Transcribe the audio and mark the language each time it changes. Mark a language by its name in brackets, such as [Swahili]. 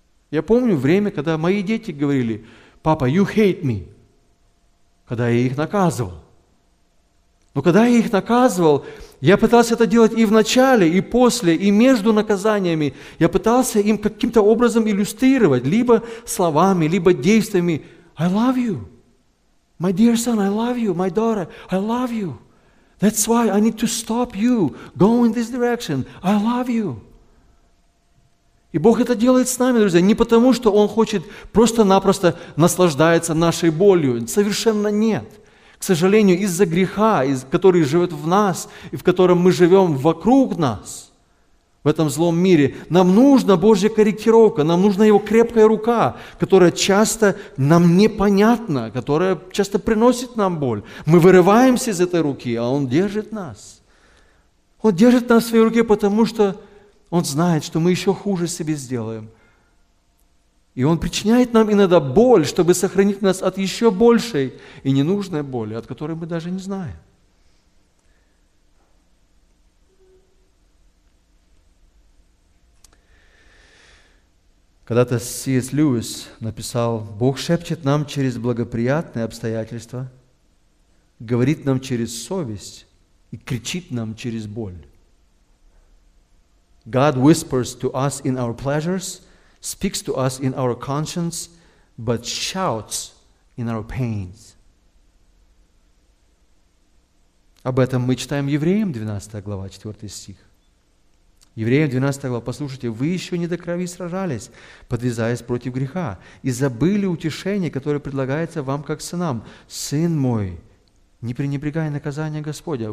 [Russian] Я помню время, когда мои дети говорили, «Папа, [English] you hate me», [Russian] когда я их наказывал. Но когда я их наказывал, я пытался это делать и в начале, и после, и между наказаниями. Я пытался им каким-то образом иллюстрировать, либо словами, либо действиями, [English] «I love you». My dear son, I love you. My daughter, I love you. That's why I need to stop you. Go in this direction. I love you. [Russian] И Бог это делает с нами, друзья, не потому, что Он хочет просто-напросто наслаждается нашей болью. Совершенно нет. К сожалению, из-за греха, который живет в нас, и в котором мы живем вокруг нас, в этом злом мире, нам нужна Божья корректировка, нам нужна Его крепкая рука, которая часто нам непонятна, которая часто приносит нам боль. Мы вырываемся из этой руки, а Он держит нас. Он держит нас в своей руке, потому что Он знает, что мы еще хуже себе сделаем. И Он причиняет нам иногда боль, чтобы сохранить нас от еще большей и ненужной боли, от которой мы даже не знаем. Когда-то С.С. Льюис написал, «Бог шепчет нам через благоприятные обстоятельства, говорит нам через совесть и кричит нам через боль. [English] God whispers to us in our pleasures, speaks to us in our conscience, but shouts in our pains». [Russian] Об этом мы читаем Евреям, 12 глава, 4 стих. Евреям 12 глава, послушайте, вы еще не до крови сражались, подвязаясь против греха, и забыли утешение, которое предлагается вам, как сынам. Сын мой, не пренебрегай наказания Господня.